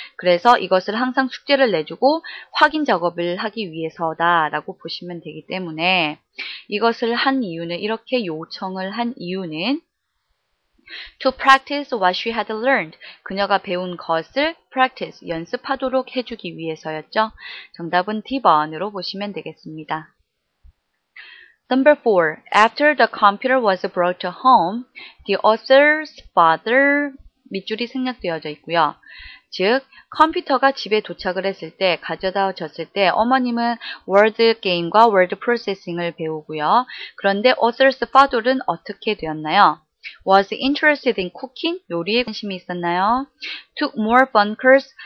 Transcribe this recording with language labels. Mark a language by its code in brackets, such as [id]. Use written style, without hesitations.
[ko] 그래서 이것을 항상 숙제를 내주고 확인 작업을 하기 위해서다 라고 보시면 되기 때문에 이것을 한 이유는 이렇게 요청을 한 이유는 [en] To practice what she had learned. [ko] 그녀가 배운 것을 practice, 연습하도록 해주기 위해서였죠. 정답은 D번으로 보시면 되겠습니다. [en] Number 4. After the computer was brought home, the author's father, [ko] 밑줄이 생략되어져 있고요. 즉, 컴퓨터가 집에 도착을 했을 때, 가져다 줬을 때, 어머님은 워드 게임과 워드 프로세싱을 배우고요. 그런데 author's father은 어떻게 되었나요? [en] Was interested in cooking? [ko] 요리에 관심이 있었나요? [en] Took more phone calls?